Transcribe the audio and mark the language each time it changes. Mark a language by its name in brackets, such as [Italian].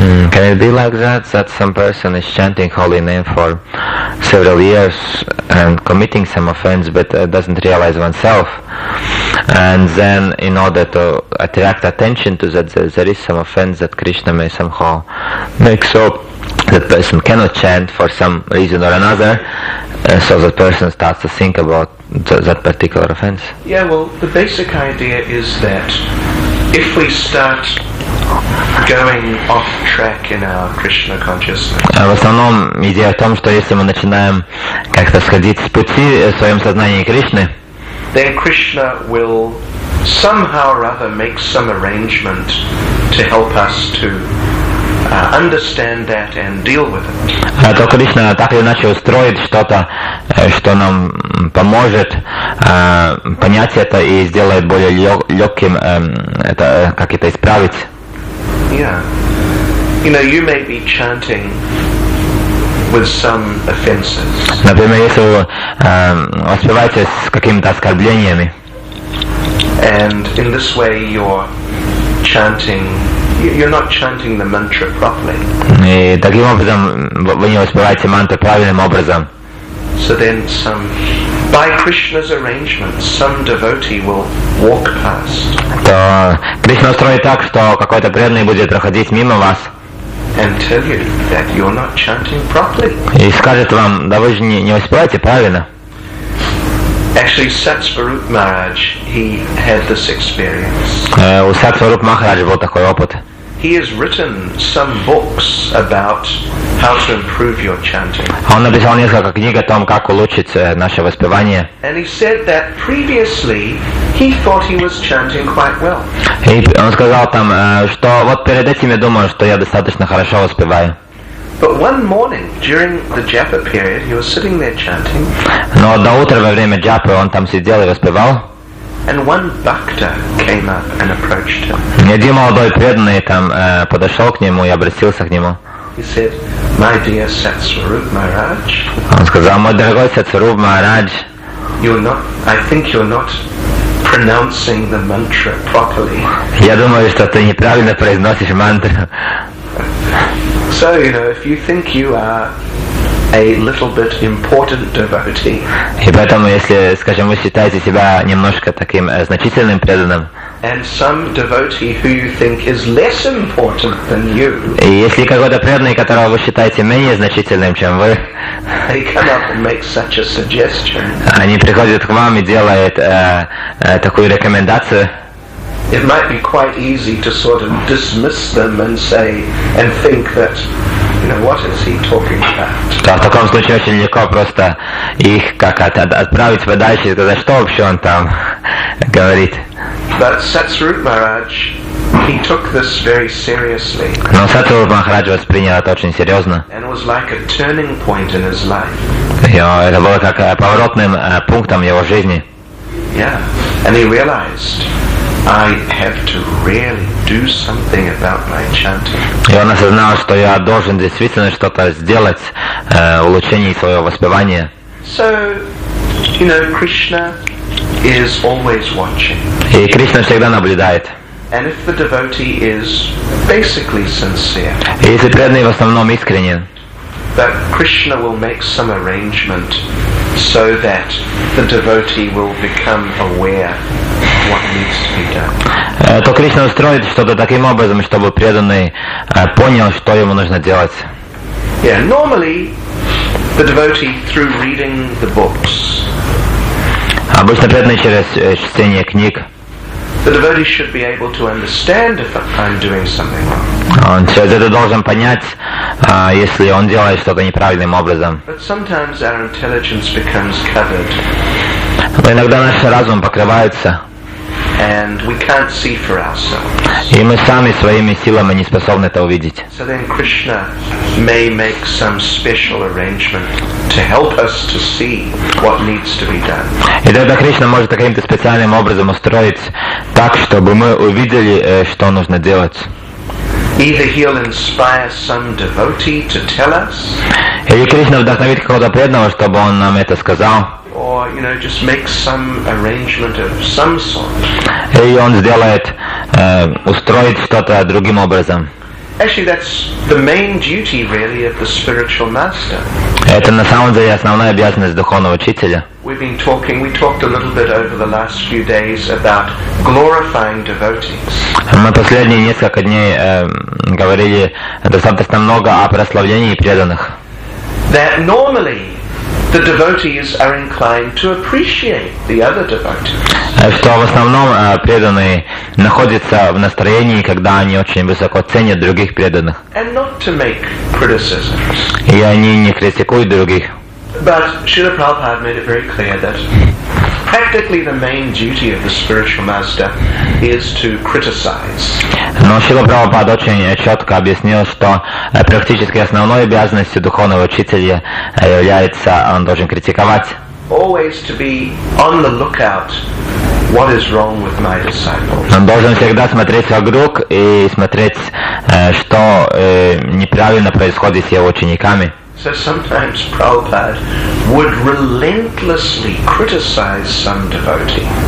[English] Can it be like that some person is chanting holy name for several years and committing some offense but doesn't realize oneself, and then in order to attract attention to that there is some offense that Krishna may somehow make so that person cannot chant for some reason or another, so the person starts to think about that particular offense? Yeah, well, the basic idea is that if we start going off track in our Krishna consciousness. [Russian] В основном идея в том, что если мы начинаем как-то сходить с пути в своем сознании Кришны, [English] then Krishna will somehow or other make some arrangement to help us to understand that and deal with it. [Russian] То Кришна так или иначе устроит что-то, что нам поможет понять это и сделает более легким это как это исправить. [English] Yeah, you know, you may be chanting with some offenses. [Russian] Например, если вы воспеваете с какими-то оскорблениями. [English] And in this way, you're chanting. You're not chanting the mantra properly. [Russian] И таким образом вы не воспеваете мантру правильным образом. [English] So then, some by Krishna's arrangement, some devotee will walk past. [Russian] То Кришна устроит так, что какой-то преданный будет проходить мимо вас. [English] And tell you that you're not chanting properly. [Russian] И скажет вам, да вы же не воспеваете правильно. [English] Actually, Satsvarup Maharaj, he had this experience. [Russian] У Сатсварупы Махараджи был такой опыт. [English] He has written some books about how to improve your chanting. [Russian] Он написал несколько книг о том, как улучшить наше воспевание. [English] And he said that previously he thought he was chanting quite well. [Russian] И он сказал там, что вот перед этим я думал, что я достаточно хорошо воспеваю. [English] But one morning during the japa period, he was sitting there chanting. [Russian] Но до утра во время джапы он там сидел и воспевал. [English] And one bhakta came up and approached him. [Russian] И один молодой преданный там подошел к нему и обратился к нему. [English] He said, "My dear Satsvarup Maharaj." [Russian] Он сказал, мой дорогой Сатсваруп Махарадж. [English] I think you're not pronouncing the mantra properly. [Russian] Я думаю, что ты неправильно произносишь мантру. [English] So, you know, if you think you are a little bit important devotee. [Russian] И поэтому, если, скажем, вы считаете себя немножко таким значительным преданным. [English] And some devotee who you think is less important than you. [Russian] И если какой-то преданный, которого вы считаете менее значительным, чем вы. [English] They come up and make such a suggestion. [Russian] Они приходят к вам и делают такую рекомендацию. [English] It might be quite easy to sort of dismiss them and say and think that, you know, what is he talking about? [Russian] Да, в таком случае очень легко просто их как-то отправить подальше и сказать, что вообще он там говорит. [English] But Satsvarup Maharaj, he took this very seriously. [Russian] Но Сатсваруп Махарадж воспринял это очень серьезно. [English] And it was like a turning point in his life. [Russian] Это было как поворотным пунктом его жизни. [English] Yeah, and he realized I have to really do something about my chanting. [Russian] И он осознал, что я должен действительно что-то сделать в улучшении своего воспевания. [English] So, you know, Krishna is always watching. [Russian] И Кришна всегда наблюдает. [English] And if the devotee is basically sincere. [Russian] И если преданный в основном искренен. [English] That Krishna will make some arrangement so that the devotee will become aware what needs to be done. [Russian] То Кришна устроит что-то таким образом, чтобы преданный понял, что ему нужно делать. [English] Yeah, normally the devotee through reading the books. [Russian] Обычно преданный через чтение книг. [English] The devotee should be able to understand if I'm doing something wrong. [Russian] Он через это должен понять, если он делает что-то неправильным образом. [English] But sometimes our intelligence becomes covered. [Russian] Но иногда наш разум покрывается. [English] And we can't see for ourselves. [Russian] И мы сами своими силами не способны это увидеть. [English] So then Krishna may make some special arrangement to help us to see what needs to be done. [Russian] И тогда Кришна может каким-то специальным образом устроить так, чтобы мы увидели, что нужно делать. [English] Either he'll inspire some devotee to tell us. [Russian] Или Кришна вдохновит какого-то преданного, чтобы он нам это сказал. [English] Or, you know, just make some arrangement of some sort. [Russian] Или он сделает, устроит что-то другим образом. [English] Actually, that's the main duty, really, of the spiritual master. [Russian] Это на самом деле основная обязанность духовного учителя. [English] We've been talking. We talked a little bit over the last few days about glorifying devotees. [Russian] Мы последние несколько дней говорили достаточно много о прославлении преданных. [English] That normally the devotees are inclined to appreciate the other devotees. [Russian] Что в основном преданные находятся в настроении, когда они очень высоко ценят других преданных. [English] And not to make criticisms. [Russian] И они не критикуют других. [English] But Srila Prabhupada made it very clear that practically the main duty of the spiritual master is to criticize. [Russian] Но Шрила Прабхупада очень четко объяснил, что практически основной обязанностью духовного учителя является, он должен критиковать. [English] Always to be on the lookout, what is wrong with my disciples? [Russian] Он должен всегда смотреть вокруг и смотреть, что неправильно происходит с его учениками. [English] So sometimes Prabhupada would relentlessly criticize some devotee.